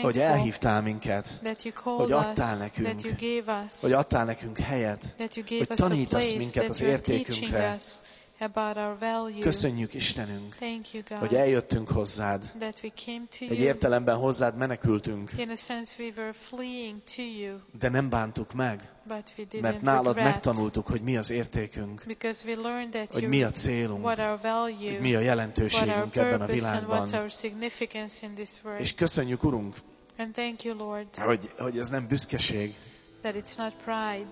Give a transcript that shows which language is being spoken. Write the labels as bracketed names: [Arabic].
[Hungarian] hogy elhívtál minket, [English] that you called [Hungarian] hogy adtál nekünk, [English] that you gave us, [Hungarian] hogy adtál nekünk helyet, [English] that you gave [Hungarian] hogy tanítasz [English] us a place, [Hungarian] minket az értékünkre. [English] About our value. [Hungarian] Köszönjük, Istenünk, [English] thank you, God, [Hungarian] hogy eljöttünk hozzád. [English] That we came to you. [Hungarian] Egy értelemben hozzád menekültünk. [English] In a sense, we were fleeing to you. [Hungarian] De nem bántuk meg. [English] But we didn't [Hungarian] mert nálad [English] regret. [Hungarian] Megtanultuk, hogy mi az értékünk. [English] Because we learned that [Hungarian] hogy mi a célunk. [English] What our value, [Hungarian] hogy mi a jelentőségünk [English] what our purpose, [Hungarian] ebben a világban. [English] And what our significance in this world. [Hungarian] És köszönjük, Urunk, [English] and thank you, Lord, [Hungarian] hogy ez nem büszkeség. [English] That it's not pride.